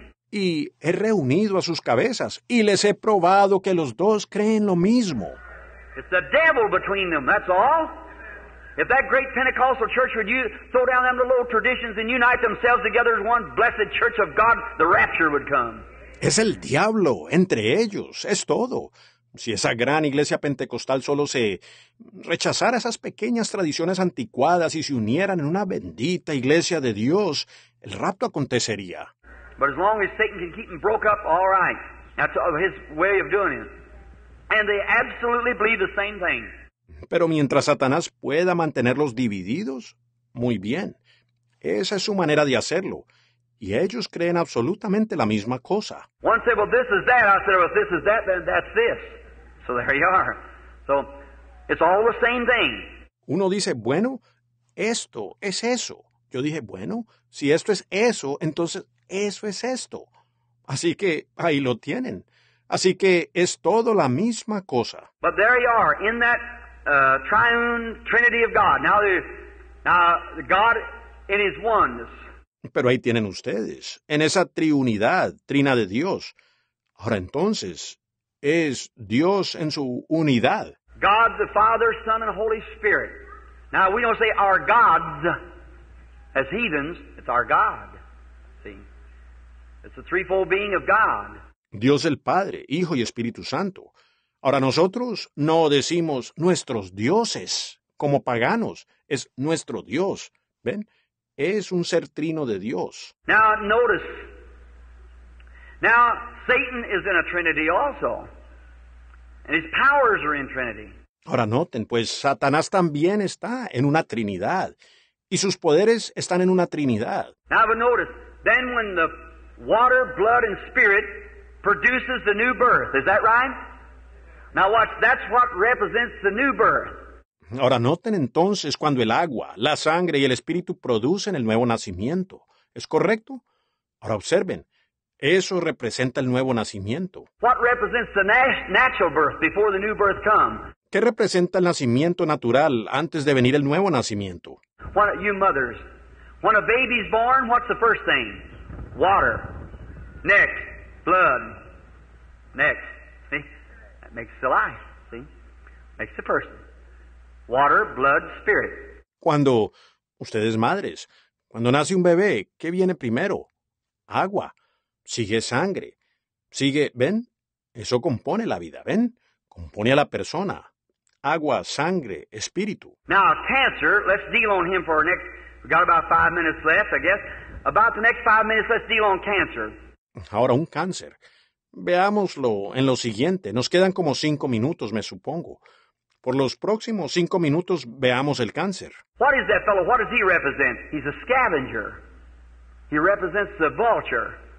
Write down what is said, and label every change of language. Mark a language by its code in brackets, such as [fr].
[es] Y he reunido a sus cabezas y les he probado que los dos creen lo mismo. [en] It's the devil between them, that's all. If that great Pentecostal church would you throw down them little traditions and unite themselves together as one blessed church of God, the rapture would come. [es] Es el diablo entre ellos, es todo. Si esa gran iglesia pentecostal solo se rechazara esas pequeñas tradiciones anticuadas y se unieran en una bendita iglesia de Dios, el rapto acontecería. [en] But as long as Satan can keep them broke up, all right. That's his way of doing it. And they absolutely believe the same thing. [es] Pero mientras Satanás pueda mantenerlos divididos, muy bien. Esa es su manera de hacerlo. Y ellos creen absolutamente la misma cosa. [en] One said, well, this is that. I said, well, this is that, then that's this. So there you are. So it's all the same thing. [es] Uno dice, bueno, esto es eso. Yo dije, bueno, si esto es eso, entonces eso es esto. Así que ahí lo tienen. Así que es todo la misma cosa. [en] But there you are, in that triune trinity of God. Now God in his oneness. [es] Pero ahí tienen ustedes, en esa triunidad, trina de Dios. Ahora entonces, es Dios en su unidad. [en] God the Father, Son, and Holy Spirit. Now we don't say our gods as heathens, it's our God. See? It's the threefold being of God. [es] Dios el Padre, Hijo y Espíritu Santo. Ahora nosotros no decimos nuestros dioses como paganos, es nuestro Dios. ¿Ven? Es un ser trino de Dios. [en] Now notice. Now Satan is in a trinity also. And his powers are in trinity. [es] Ahora noten, pues Satanás también está en una trinidad. Y sus poderes están en una trinidad. [en] Now but notice. Then when the water, blood, and spirit produces the new birth. Is that right? Now watch. That's what represents the new birth. [es] Ahora noten entonces cuando el agua, la sangre y el espíritu producen el nuevo nacimiento. ¿Es correcto? Ahora observen, eso representa el nuevo nacimiento. [en] What represents the natural birth before the new birth comes? [es] ¿Qué representa el nacimiento natural antes de venir el nuevo nacimiento? [en] What, you mothers, when a baby's born, what's the first thing? Water. Next, blood. Next, see? That makes the life, see? Makes the person. Water, blood, spirit. [es] Cuando ustedes madres, cuando nace un bebé, ¿qué viene primero? Agua. Sigue sangre. Sigue, ¿ven? Eso compone la vida, ¿ven? Compone a la persona. Agua, sangre, espíritu. [en] Now, cancer, let's deal on him for our next... We've got about 5 minutes left, I guess. About the next 5 minutes, let's deal on cancer. [es] Ahora, un cáncer. Veámoslo en lo siguiente. Nos quedan como 5 minutos, me supongo. Por los próximos 5 minutos, veamos el cáncer. [en] What is that fellow? What does he represent? He's a scavenger. He represents the vulture.